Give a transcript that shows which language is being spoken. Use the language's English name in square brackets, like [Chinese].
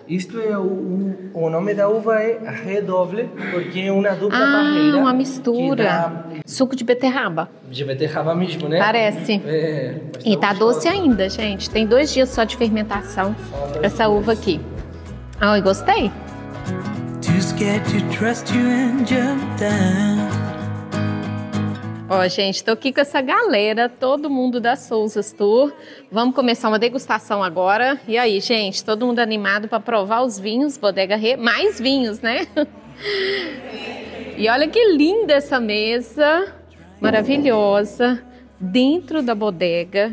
[Portuguese] Isto é o nome da uva é Redoble, porque é uma dupla barreira. Ah, uma mistura. Suco de beterraba. De beterraba mesmo, né? Parece. É, e tá doce ainda, gente. Tem 2 dias só de fermentação essa uva aqui. Ah, eu gostei. [English] Too scared to trust you and jump down. [Portuguese] Ó, gente, tô aqui com essa galera, todo mundo da Souza's Tour. Vamos começar uma degustação agora. E aí, gente, todo mundo animado para provar os vinhos, Bodega Rei, mais vinhos, né? E olha que linda essa mesa, maravilhosa, dentro da bodega.